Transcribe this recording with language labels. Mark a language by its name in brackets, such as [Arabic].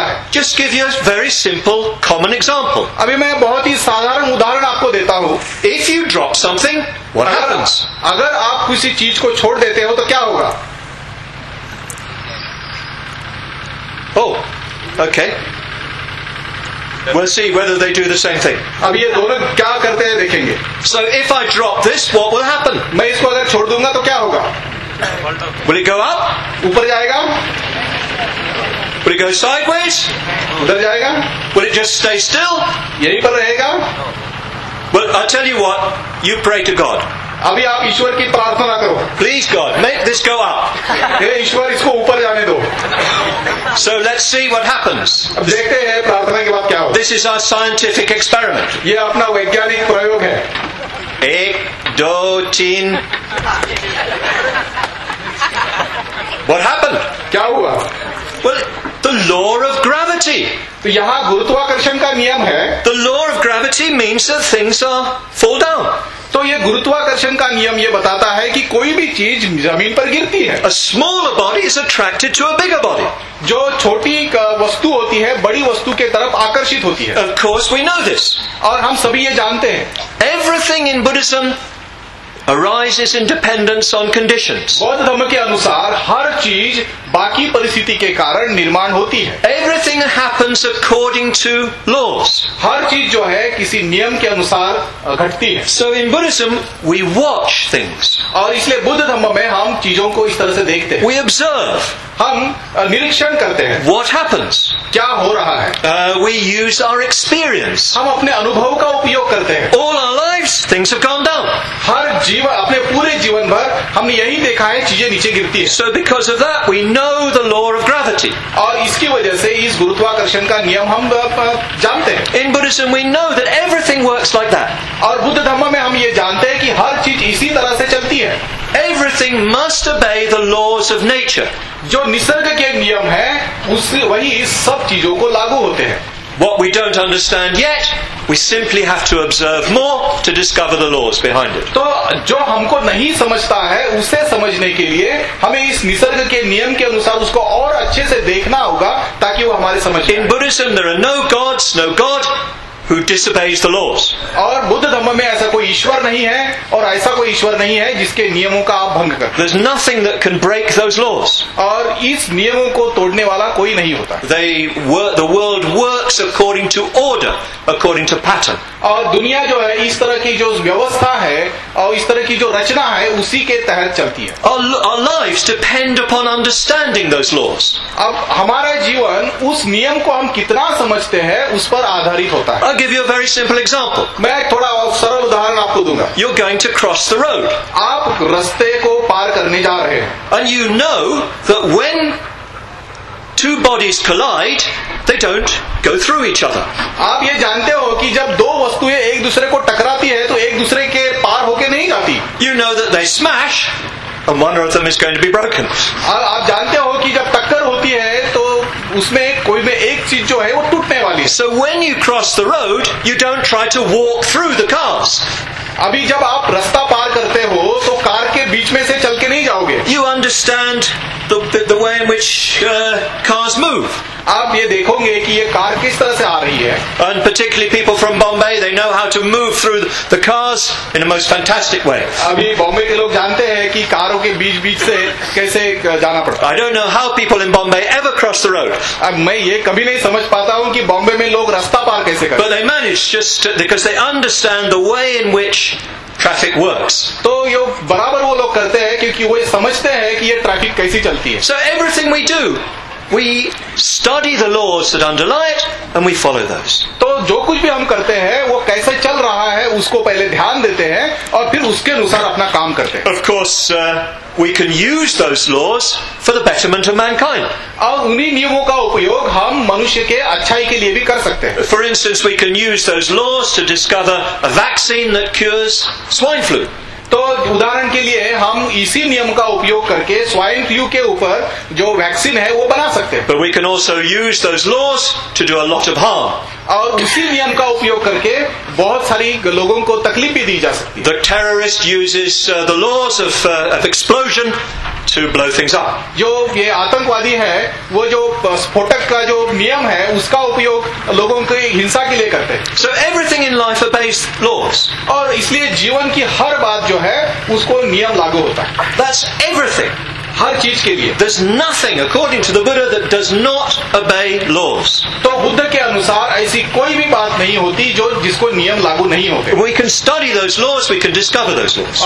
[English] Just give you a very simple common example. If you drop something, what happens? [Hindi] अगर आप किसी चीज को छोड़ देते हो तो क्या होगा? [English] Oh, okay. We'll see whether they do the same thing. [Hindi] अब ये दोनों क्या करते हैं देखेंगे. [English] So if I drop this, what will happen? [Hindi] मैं इसको अगर छोड़ दूँगा तो क्या होगा? [English] Will it go up? [Hindi] ऊपर जाएगा? [English] Will it go sideways? [Hindi] उधर जाएगा? [English] Will it just stay still? [Hindi] यहीं पर रहेगा? [English] Well, I tell you what. You pray to God. [Hindi] अभी आप ईश्वर की प्रार्थना करो. [English] Please God, make this go up. [Hindi] हे ईश्वर, इसको ऊपर जाने दो. [English] So let's see what happens. [Hindi] अब देखते हैं प्रार्थना के बाद क्या होगा. [English] This is our scientific experiment. [Hindi] ये अपना वैज्ञानिक प्रयोग है. एक, दो, तीन. [English] What happened? [Hindi] क्या हुआ? [English] Well, the law of gravity. [Hindi] तो यहाँ गुरुत्वाकर्षण का नियम है. [English] The law of gravity means that things are fall down. [Hindi] तो ये गुरुत्वाकर्षण का नियम ये बताता है कि कोई भी चीज जमीन पर गिरती है. [English] A smaller body is attracted to a bigger body. [Hindi] जो छोटी वस्तु होती है बड़ी वस्तु के तरफ आकर्षित होती है. [English] Of course we know this. [Hindi] और हम सभी ये जानते हैं. [English] Everything in Buddhism arises in dependence on conditions. [Hindi] बौद्ध धर्म के अनुसार हर चीज बाकी परिस्थिति के कारण निर्माण होती है. [English] Everything happens according to laws. [Hindi] हर चीज जो है किसी नियम के अनुसार घटती है. [English] So in Buddhism we watch things. [Hindi] और इसलिए बुद्ध धर्म में हम चीजों को इस तरह से देखते हैं. [English] We observe. [Hindi] हम निरीक्षण करते हैं. [English] What happens? [Hindi] क्या हो रहा है? [English] We use our experience. [Hindi] हम अपने अनुभव का उपयोग करते हैं. [English] All our lives things have gone down. [Hindi] हर जीवन अपने पूरे जीवन भर हमने यही देखा है चीजें नीचे गिरती है. [English] So because of that we know the law of gravity. [Hindi] और इसकी वजह से इस गुरुत्वाकर्षण का नियम हम जानते हैं. [English] In Buddhism we know that everything works like that. [Hindi] और बुद्ध धर्म में हम ये जानते हैं कि हर चीज इसी तरह से चलती है. [English] everything must obey the laws of nature. [Hindi] जो निसर्ग के नियम हैं, उससे वही सब चीजों को लागू होते हैं. [English] What we don't understand yet, we simply have to observe more to discover the laws behind it. [Hindi] तो जो हमको नहीं समझता है, उसे समझने के लिए हमें इस निसर्ग के नियम के अनुसार उसको और अच्छे से देखना होगा ताकि वो हमारे समझ में आए. [English] In Buddhism, there are no gods, no god who disobeys the laws. [Hindi] और बुद्ध धर्म में ऐसा कोई ईश्वर नहीं है और ऐसा कोई ईश्वर नहीं है जिसके नियमों का आप भंग करें. [English] There's nothing that can break those laws. [Hindi] और इस नियमों को तोड़ने वाला कोई नहीं होता. [English] The world works according to order, according to pattern. [Hindi] और दुनिया जो है इस तरह की जो व्यवस्था है और इस तरह की जो रचना है उसी के तहत चलती है. [English] Our lives depend upon understanding those laws. [Hindi] अब हमारा जीवन उस नियम को हम कितना समझते हैं उस पर आधारित होता है. [English] I'll give you a very simple example. [Hindi] मैं एक थोड़ा सरल उदाहरण आपको दूंगा. [English] You're going to cross the road. [Hindi] आप रास्ते को पार करने जा रहे हैं. [English] And you know that when two bodies collide, they don't go through each other. [Hindi] आप ये जानते हो कि जब दो वस्तुएं एक दूसरे को टकराती है तो एक दूसरे के पार होके नहीं जाती. [English] You know that they smash and one of them is going to be broken. [Hindi] आप जानते हो कि जब टक्कर होती है तो उसमें कोई में एक चीज जो है वो टूटने वाली है. [English] So when you cross the road, you don't try to walk through the cars. [Hindi] अभी जब आप रास्ता पार करते हो तो कार के बीच में से चल के नहीं जाओगे. [English] You understand the way in which cars move. [Hindi] आप ये देखोगे कि ये कार किस तरह से आ रही है. [English] And particularly people from Bombay, they know how to move through the cars in a most fantastic way. [Hindi] अभी बॉम्बे के लोग जानते हैं कि कारों के बीच बीच से कैसे जाना पड़ता है. [English] I don't know how people in Bombay ever cross the road. [Hindi] अब मैं ये कभी नहीं समझ पाता हूँ कि बॉम्बे में लोग रास्ता पार कैसे करते हैं. [English] But they manage just because they understand the way in which traffic works. [Hindi] तो ये बराबर वो लोग करते हैं क्योंकि वो समझते हैं कि ये ट्रैफिक कैसी चलती है. [English] So everything we do, we study the laws that underlie it and we follow those. [Hindi] तो जो कुछ भी हम करते हैं वो कैसे चल रहा है उसको पहले ध्यान देते हैं और फिर उसके अनुसार अपना काम करते हैं. [English] Of course, we can use those laws for the betterment of mankind. [Hindi] और उन्हीं नियमों का उपयोग हम मनुष्य के अच्छाई के लिए भी कर सकते हैं. [English] For instance, we can use those laws to discover a vaccine that cures swine flu. [Hindi] तो उदाहरण के लिए हम इसी नियम का उपयोग करके स्वाइन फ्लू के ऊपर जो वैक्सीन है वो बना सकते हैं. [English] But we can also use those laws to do a lot of harm. [Hindi] और उसी नियम का उपयोग करके बहुत सारी लोगों को तकलीफ भी दी जा सकती है. [English] The terrorist uses the laws of explosion to blow things up. [Hindi] जो ये आतंकवादी है वो जो स्फोटक का जो नियम है उसका उपयोग लोगों की हिंसा के लिए करते हैं. [English] So everything in life obeys laws. [Hindi] और इसलिए जीवन की हर बात जो है उसको नियम लागू होता है. [English] That's everything. [Hindi] हर चीज के लिए. [English] There's nothing according to the Buddha that does not obey laws. [Hindi] तो बुद्ध के अनुसार ऐसी कोई भी बात नहीं होती जो जिसको नियम लागू नहीं होते. [English] We can study those laws, we can discover those laws.